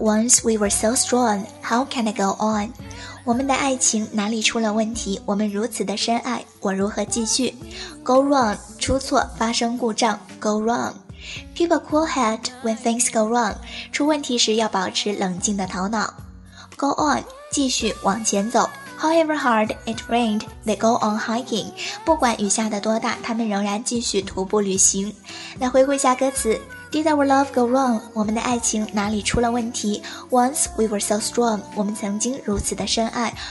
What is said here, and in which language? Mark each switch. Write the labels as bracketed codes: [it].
[en] Once we were so strong, how can I go on? [zh] 我们的爱情哪里出了问题？我们如此的深爱，我如何继续？ [en] Go wrong， [zh] 出错，发生故障。 [en] Go wrong， keep a cool head when things go wrong， [zh] 出问题时要保持冷静的头脑。 [en] Go on， [zh] 继续往前走。 [en] However hard it rained, they go on hiking. [zh] 不管雨下的多大，他们仍然继续徒步旅行。来回顾一下歌词。 [en] Did our love go wrong? [zh] 我们的爱情哪里出了问题？ [en] Once we were so strong, [zh] 我们曾经如此的深爱。